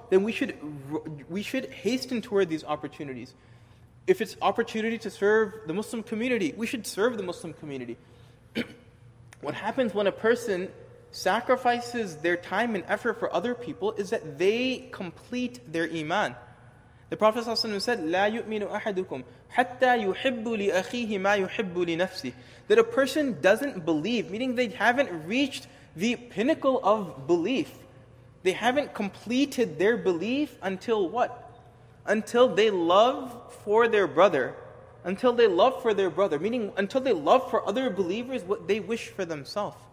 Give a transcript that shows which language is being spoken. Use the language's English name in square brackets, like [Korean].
[English] Then we should hasten toward these opportunities. If it's opportunity to serve the Muslim community, we should serve the Muslim community. What happens when a person sacrifices their time and effort for other people is that they complete their iman. The Prophet ﷺ said, [Arabic] لا يؤمن أحدكم حتى يحب لأخيه ما يحب لنفسه. [English] That a person doesn't believe, meaning they haven't reached the pinnacle of belief. They haven't completed their belief until what? Until they love for their brother. Until they love for their brother, meaning until they love for other believers what they wish for themselves.